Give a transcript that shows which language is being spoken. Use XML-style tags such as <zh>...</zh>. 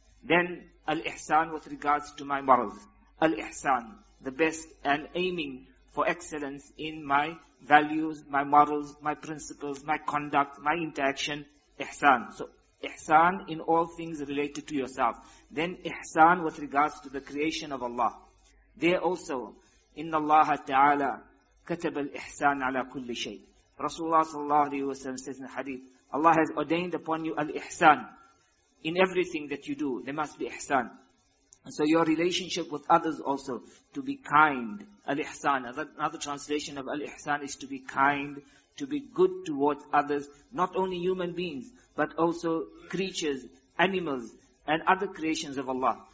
<en>Then Al-Ihsan with regards to my morals. Al-Ihsan, the best, and aiming for excellence in my values, my morals, my principles, my conduct, my interaction, ihsan. So ihsan in all things related to yourself. Then ihsan with regards to the creation of Allah. There also,</en> <ar>إِنَّ اللَّهَ تَعَالَى كَتَبَ الْإِحْسَانَ عَلَى كُلِّ شَيْءٍ.</ar> <en>Rasulullah sallallahu alayhi wa sallam says in the hadith, Allah has ordained upon you al-ihsan. In everything that you do, there must be ihsan. So your relationship with others also, to be kind, al-ihsan. Another translation of al-ihsan is to be kind, to be good towards others, not only human beings, but also creatures, animals, and other creations of Allah.</en>